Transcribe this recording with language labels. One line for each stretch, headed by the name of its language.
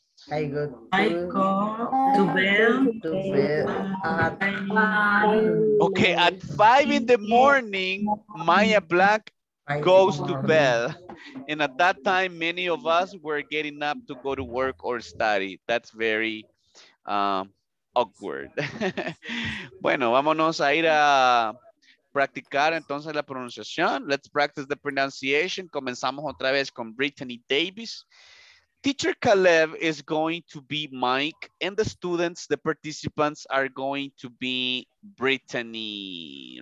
English: I go to bed at five. Okay, at 5 in the morning, Maya Black goes to bed. And at that time, many of us were getting up to go to work or study. That's very awkward.
Spanish: Bueno, vámonos a ir a practicar entonces la pronunciación.
English: Let's practice the pronunciation.
Spanish: Comenzamos otra vez con Brittany Davis.
English: Teacher Caleb is going to be Mike, and the students, the participants, are going to be Brittany.